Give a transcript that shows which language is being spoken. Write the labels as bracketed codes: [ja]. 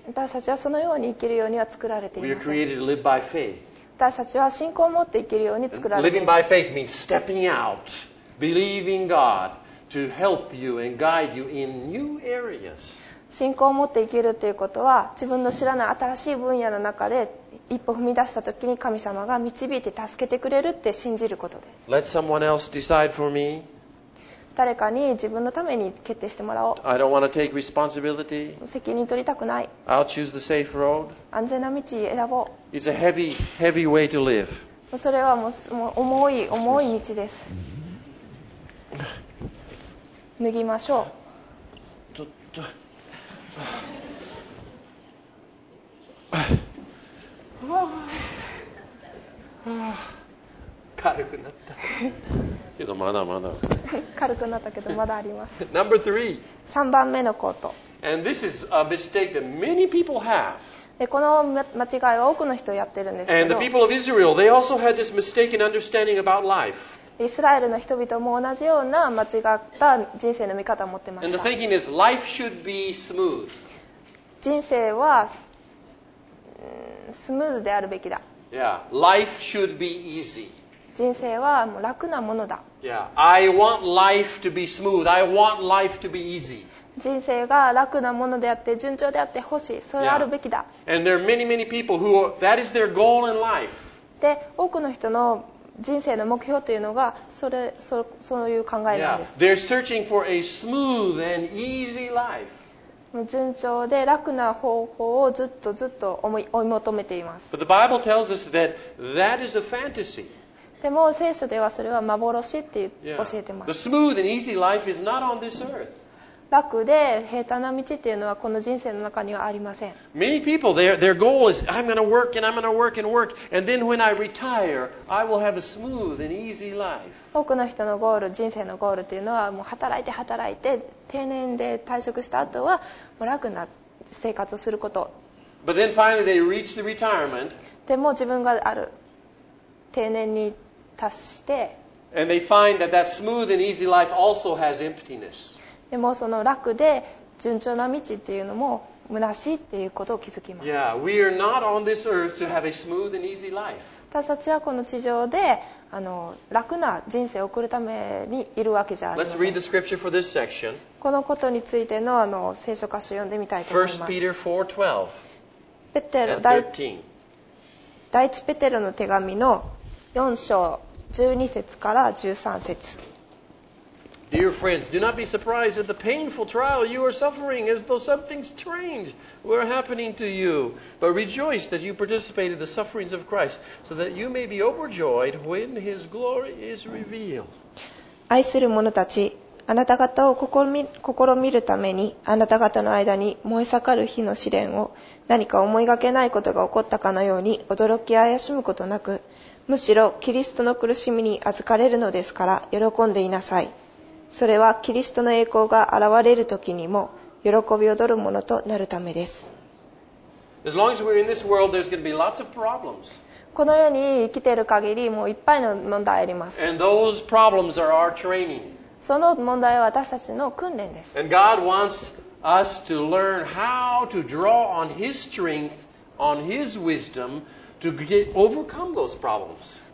[ja] 私たちはそのように生きるようには作られていません。 [en] We are created to live by faith. [ja] 私たちは信仰を持って生きるように作られています。 [en] Living by faith means stepping outBelieving God to help you and guide you in new areas. [ja] 信仰を持って生きるということは、自分の知らない新しい分野の中で一歩踏み出したときに神様が導いて助けてくれるって信じることです。 [en] Let someone else decide for me. [ja] 誰かに自分のために決定してもらおう。 [en] I don't want to take responsibility. [ja] 責任取りたくない。 [en] I'll choose the safe road. [ja] 安全な道選ぼう。 [en] It's a heavy, heavy way to live. [ja] それはもう重い重い道です。脱ぎましょう。軽くなったけどまだまだ軽くなったけどまだあります。 [en] Number three. [ja] 3番目のコート。 [en] And this is a mistake that many people have. [ja] でこの間違いは多くの人やってるんですけど。 [en] And the people of Israel, they also had this mistaken understanding about life. [ja] イスラエルの人々も同じような間違った人生の見方を持っていました。 [en] And the thinking is life should be smooth. [ja] 人生はスムーズであるべきだ。 [en] Yeah, life should be easy. [ja] 人生はもう楽なものだ。 [en] Yeah. I want life to be smooth. I want life to be easy. [ja] 人生が楽なものであって順調であってほしい。それあるべきだ。 [en] Yeah. And there are many, many people who are, that is their goal in life. [ja] で、多くの人の人生の目標というのがそういう考えなんです。 [en] Yeah. They're searching for a smooth and easy life. [ja] 順調で楽な方法をずっとずっと追い求めています。 [en] But the Bible tells us that that is a fantasy. [ja] でも聖書ではそれは幻って教えてます。 [en] The smooth and easy life is not on this earth. [ja] 楽で平坦な道っていうのはこの人生の中にはありません。 [en] Many people, their goal is I'm going to work and I'm going to work and work and then when I retire, I will have a smooth and easy life. [ja] 多くの人のゴール、人生のゴールっていうのはもう働いて働いて定年で退職した後はもう楽な生活をすること。 [en] But then finally they reach the retirement. [ja] でも自分がある定年に達して、 [en] and they find that that smooth and easy life also has emptiness. [ja] でもその楽で順調な道っていうのも虚しいっていうことを気づきます。 [en] Yeah, we are not on this earth to have a smooth and easy life. [ja] 私たちはこの地上で楽な人生を送るためにいるわけじゃありません。 [en] Let's read the scripture for this section. [ja] このことについて の聖書箇所を読んでみたいと思います。 [en] 1 Peter 4:12. [ja] ペテロ第一ペテロの手紙の4章12節から13節。 [en] Dear friends, do not be surprised at the painful trial you are suffering as though something strange were happening to you. But rejoice that you participate in the sufferings of Christ, so that you may be overjoyed when His glory is revealed. [ja] 愛する者たち、あなた方を試みるために、あなた方の間に燃え盛る火の試練を、何か思いがけないことが起こったかのように驚き怪しむことなく、むしろキリストの苦しみに預かれるのですから喜んでいなさい。それはキリストの栄光が現れる時にも喜び踊るものとなるためです。 [en] As long as we're in this world, there's going to be lots of problems. [ja] この世に生きている限りもういっぱいの問題あります。 [en] And those problems are our training. [ja] その問題は私たちの訓練です。 [en] And God wants us to learn how to draw on His strength, on His wisdom,To get, overcome those problems.